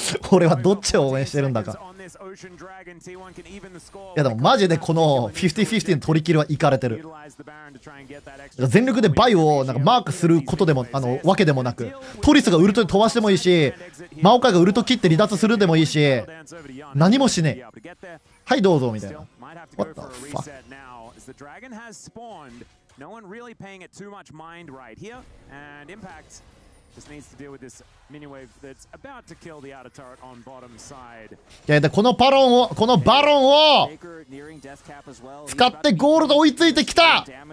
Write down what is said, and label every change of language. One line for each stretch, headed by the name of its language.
Japanese: 俺はどっちを応援してるんだか。いやでもマジでこの 50-50 の取り切りはいかれてる。全力でバイをなんかマークすることでもあのわけでもなく、トリスがウルトで飛ばしてもいいし、マオカがウルト切って離脱するでもいいし、何もしねえ。はいどうぞみたいな。
English: What the fuck? No one really paying it too much mind right here. And Impact just needs to deal with this mini wave that's about to kill the outer turret on bottom side.
Japanese: Okay, でこのバロンを、このバロンを使ってゴールド追いついてきた。